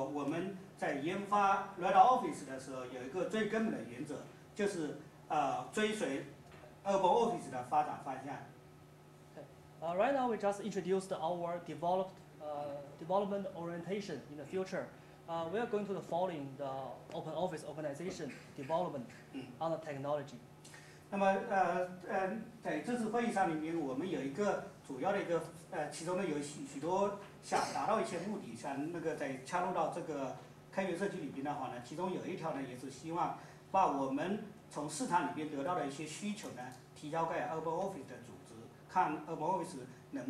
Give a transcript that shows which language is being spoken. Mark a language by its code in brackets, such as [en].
[zh] 那么我呢，下面的话呢，我想简单的介绍一下我们公司的一些发展的方向。那么从长远的角度来说，我们在研发 Red Office 的时候，有一个最根本的原则，就是追随 Urban Office 的发展方向。 [en] Right now, we just introduced our development orientation in the future. We are going to follow the Open Office organization development on the technology. [zh] 那么在这次会议上里面，我们有一个主要的一个其中呢有许多想达到一些目的，想那个在加入到这个开源社区里边的话呢，其中有一条呢也是希望把我们从市场里边得到的一些需求呢提交给 Urban Office 的组织，看 Urban Office